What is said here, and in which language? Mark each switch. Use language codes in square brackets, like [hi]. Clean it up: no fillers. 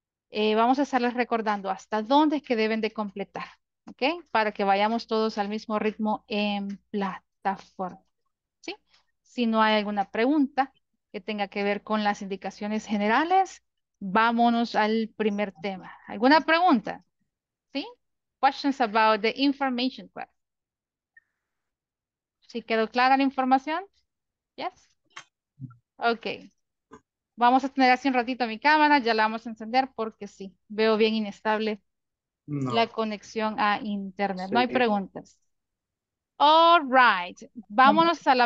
[es] Vamos a estarles recordando hasta dónde es que deben de completar, ¿ok? Para que vayamos todos al mismo ritmo en plataforma. Si no hay alguna pregunta que tenga que ver con las indicaciones generales, vámonos al primer tema. ¿Alguna pregunta? ¿Sí? [en] Questions about the information class. [es] ¿Sí quedó clara la información? Yes. Okay. Vamos a tener así un ratito mi cámara, ya la vamos a encender porque sí, veo bien inestable la No. conexión a internet. No Sí. hay preguntas. All right. Vámonos a la